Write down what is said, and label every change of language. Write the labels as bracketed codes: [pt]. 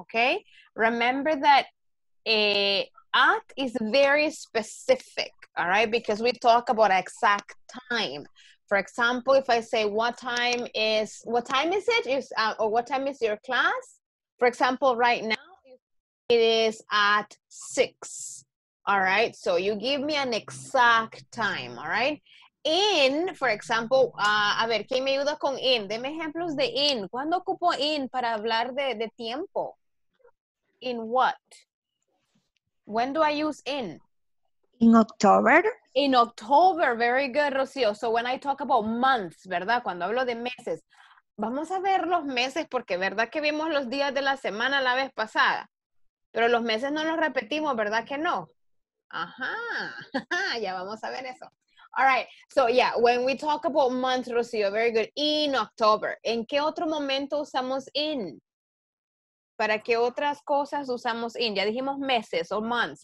[en] Okay, remember that at is very specific, all right, because we talk about exact time. For example, if I say, what time is it? Or what time is your class? For example, right now, it is at 6. All right. So you give me an exact time. All right. In, for example, [es] a ver, ¿quién me ayuda con in? Deme ejemplos de in. ¿Cuándo ocupo in para hablar de tiempo? [en] In what? When do I use in? In October. In October. Very good, Rocío. So when I talk about months, ¿verdad? [es] Cuando hablo de meses. Vamos a ver los meses porque, ¿verdad? Que vimos los días de la semana la vez pasada. Pero los meses no los repetimos, ¿verdad que no? Ajá. Ya vamos a ver eso. [en] All right, so yeah, when we talk about months, Rocío, very good. In October. [es] ¿En qué otro momento usamos in? ¿Para qué otras cosas usamos in? Ya dijimos meses o months.